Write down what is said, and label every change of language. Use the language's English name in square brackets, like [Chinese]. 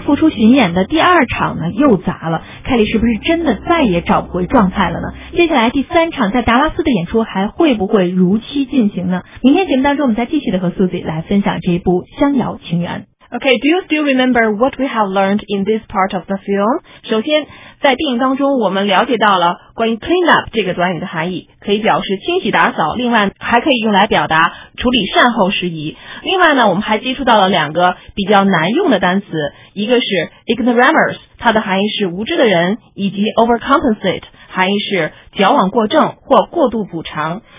[Chinese] 巡演的第二场呢又砸了，凯莉是不是真的再也找不回状态了呢？接下来第三场在达拉斯的演出还会不会如期进行呢？明天节目当中我们再继续的和苏子来分享这一部香遥情缘。 [English] OK, do you still remember what we have learned in this part of the film? [Chinese] 首先在电影当中我们了解到了关于 clean up 这个短语的含义，可以表示清洗打扫，另外还可以用来表达处理善后事宜。另外呢，我们还接触到了两个比较难用的单词，一个是 ignoramus, 它的含义是无知的人，以及 overcompensate, 含义是矫枉过正或过度补偿。